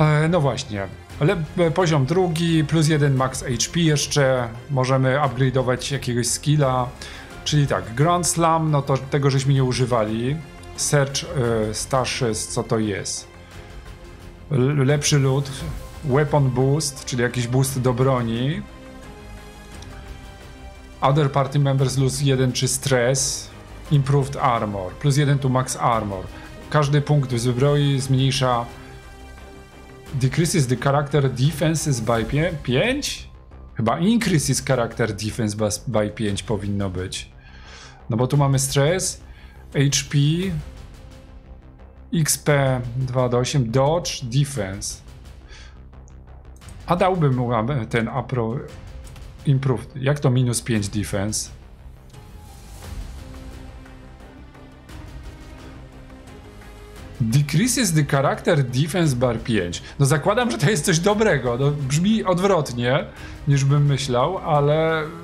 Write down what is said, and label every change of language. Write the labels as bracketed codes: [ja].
[pl] No właśnie, ale poziom drugi, plus jeden max HP jeszcze, możemy upgrade'ować jakiegoś skilla, czyli tak, Grand Slam, no to tego żeśmy nie używali, Search Stasis, co to jest? Lepszy loot, Weapon Boost, czyli jakiś boost do broni. [en] Other party members lose 1 czy stress. Improved armor, plus 1 to max armor. [pl] Każdy punkt w zbroi zmniejsza. [en] Decreases the character defenses by 5? [pl] Chyba [en] increases character defense by 5 [pl] powinno być. No bo tu mamy stress, HP, XP 2 do 8, dodge, defense. A dałbym ten apro improved. Jak to minus 5 defense? [en] Decreases the character defense bar 5. [pl] No zakładam, że to jest coś dobrego. No, brzmi odwrotnie, niż bym myślał, ale...